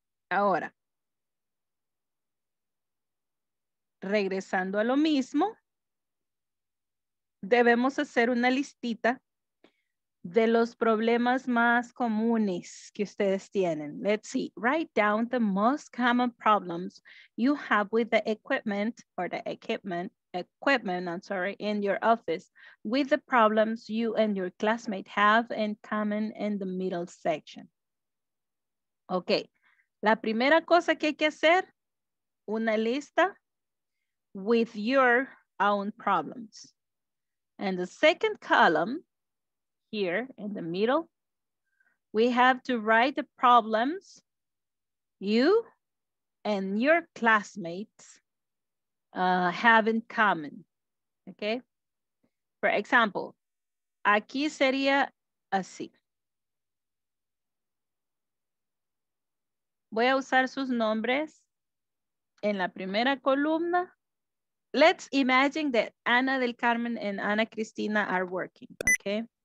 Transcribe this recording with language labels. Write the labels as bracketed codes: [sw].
[es] Ahora, regresando a lo mismo, debemos hacer una listita de los problemas más comunes que ustedes tienen. [en] Let's see. Write down the most common problems you have with the equipment or the equipment, I'm sorry, in your office, with the problems you and your classmate have in common in the middle section. Okay. [es] La primera cosa que hay que hacer, una lista [en] with your own problems. And the second column, here in the middle, we have to write the problems you and your classmates have in common, okay? For example, [es] aquí sería así. Voy a usar sus nombres en la primera columna. [en] Let's imagine that Ana del Carmen and Ana Cristina are working, okay?